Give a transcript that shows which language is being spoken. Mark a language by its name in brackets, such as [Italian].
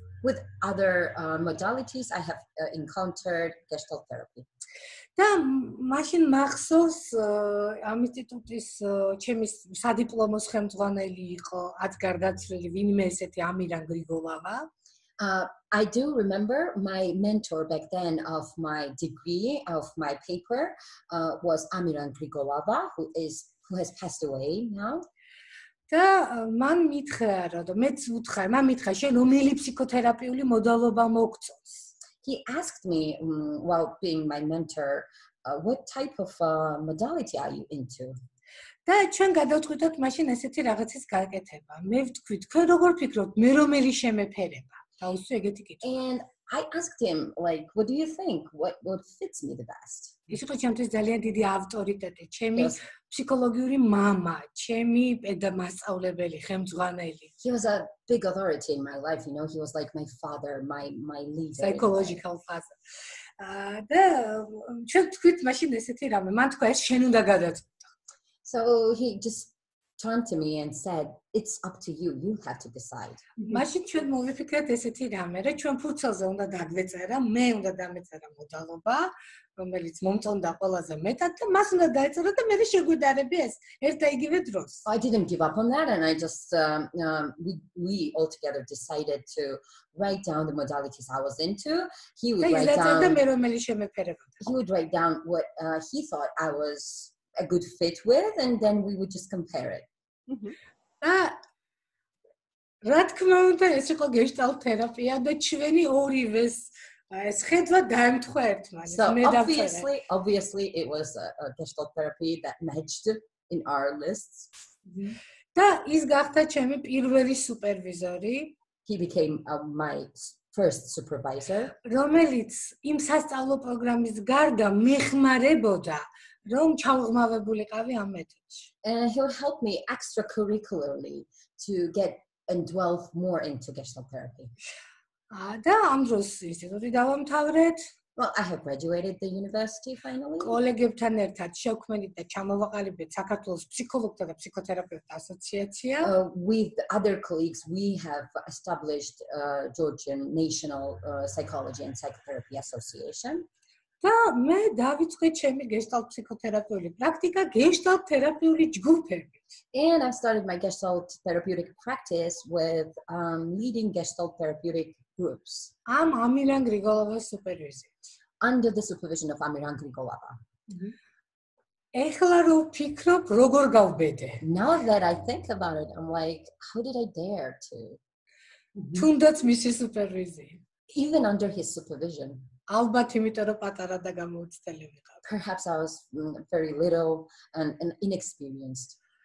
[English] With other modalities I have encountered Gestalt therapy. [Georgian] Და მაშინ მახსოვს ამ ინსტიტუტის ჩემი სადიპლომოს ხელმძღვანელი იყო ადგარდაცრელი ვინმე ესეთი ამირან გრიგოლავა. [English] I do remember my mentor back then of my degree of my paper was Amiran Grigolava who has passed away now. [Georgian] და მან მითხრა რომ მეც ვუთხარ მან მითხრა შენ რომელი ფსიქოთერაპიული მოდელობა მოგწონს. [English] He asked me while being my mentor what type of modality are you into? [Georgian] და ჩვენ გადავთვითოთ მაშინ ესეთი რაღაცის გაკეთება. მე ვთქვი, თქვენ როგორ ფიქრობთ, მე რომელი შემეფერება? დაუსვი ეგეთი კითხვა. [English] And I asked him like, what do you think? What fits me the best? [Georgian] ის იყო ჩემთვის ძალიან დიდი ავტორიტეტი, ჩემი ფსიქოლოგიური მამა, ჩემი პედაგოგი, ხელმძღვანელი. [English] He was a big authority in my life, you know, he was like my father, my leader. Psychological father. [Georgian] და ჩვენ თქვით მაშინ ესეთი რამე, მან თქვა ეს შენ უნდა გადაწყვეტ. [English] So he just turned to me and said, it's up to you, you have to decide. [Georgian] Машин ჩვენ მოვიფიქრეთ ესეთი რამე, რომ ჩვენ ფურცელზე უნდა დაგვეწერა, მე უნდა დამეწერა მოდალობა, რომელიც მომწონდა ყველაზე მეტად და მას უნდა დაეწერა და მე შეგვედარები ეს ერთ და იგივე დროს. [English] I didn't give up on that and I just we all together decided to write down the modalities I was into. He would write down. [Georgian] Да, ეს და მე რომელი შემეფერება. [English] He would write down what he thought I was a good fit with and then we would just compare it. Да. [Georgian] რა თქმა უნდა, ეს იყო Gestalt თერაპია და ჩვენი ორივეს ეს ხედვა დაემთხვა ერთმანეთს. Მე და [English] obviously it was a Gestalt therapy that matched in our lists. [Georgian] და ის გახდა ჩემი პირველი სუპერვიზორი. [English] He became my first supervisor. [Georgian] რომელიც იმ სასწავლო პროგრამის გარდა მეხმარებოდა რომ ჩავღმავებულიყავი ამ მეთოდში. [English] He would help me extracurricularly to get and delve more into Gestalt therapy. [Georgian] და ამ დროს ინსტიტუტი დავამთავრეთ. [English] Well, I have graduated the university finally. [Georgian] კოლეგებთან ერთად შევქმნით და ჩამოვაყალიბეთ საქართველოს ფსიქოლოგთა და ფსიქოთერაპევტთა ასოციაცია. [English] With other colleagues, we have established Georgian National Psychology and Psychotherapy Association. [Georgian] და მე დავიწყე ჩემი Gestalt ფსიქოთერაპიული პრაქტიკა Gestalt თერაპიული ჯგუფებით. [English] And I started my Gestalt therapeutic practice with leading Gestalt therapeutic groups. I'm Amiran Grigolova's supervisor. Under the supervision of Amiran Grigolova. [Georgian] ეხლა რო ვფიქრობ, როგორ გავბედე? [English] Now that I think about it, I'm like, how did I dare to? [Georgian] თუნდაც მისი სუპერვიზი. [English] Even under his supervision. [Georgian] ალბათ იმიტომ რომ პატარა და გამოუცდელი ვიყავ. [English] Perhaps I was very little and inexperienced.